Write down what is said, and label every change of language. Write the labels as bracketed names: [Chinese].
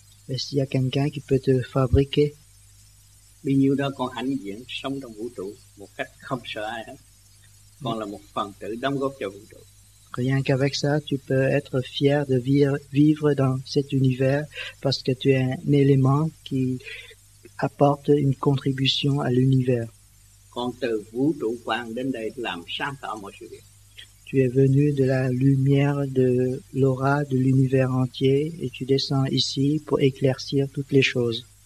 [French] Et s'il y a quelqu'un qui peut te fabriquer? [Vietnamese] Bao nhiêu đó con hãnh diện sống trong vũ trụ một cách không sợ ai hết. Con là một phần tử đóng góp cho vũ trụ. [French] Rien qu'avec ça, tu peux être fier de vivre dans cet univers parce que tu es un élément qui apporte une contribution à l'univers. [Vietnamese] Con từ vũ trụ quang đến đây làm sáng tỏ mọi sự việc. [French] Tu es venu de la lumière de l'aura de l'univers entier et tu descends ici pour éclaircir toutes les choses.